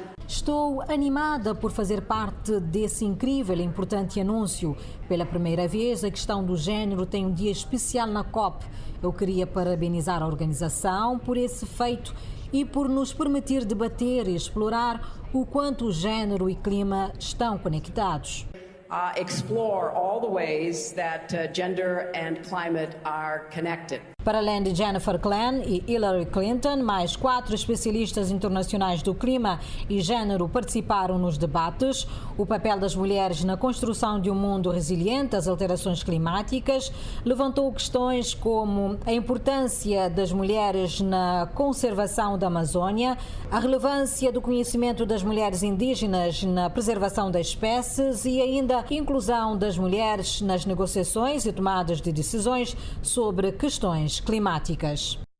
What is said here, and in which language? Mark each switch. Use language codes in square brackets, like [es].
[pt] Estou animada por fazer parte desse incrível e importante anúncio. Pela primeira vez, a questão do gênero tem um dia especial na COP. Eu queria parabenizar a organização por esse feito e por nos permitir debater e explorar o quanto o gênero e clima estão conectados. [en] Explore all the ways that gender and climate are connected. [pt] Para além de Jennifer Klein e Hillary Clinton, mais 4 especialistas internacionais do clima e gênero participaram nos debates. O papel das mulheres na construção de um mundo resiliente às alterações climáticas levantou questões como a importância das mulheres na conservação da Amazônia, a relevância do conhecimento das mulheres indígenas na preservação das espécies e ainda a inclusão das mulheres nas negociações e tomadas de decisões sobre questões climáticas.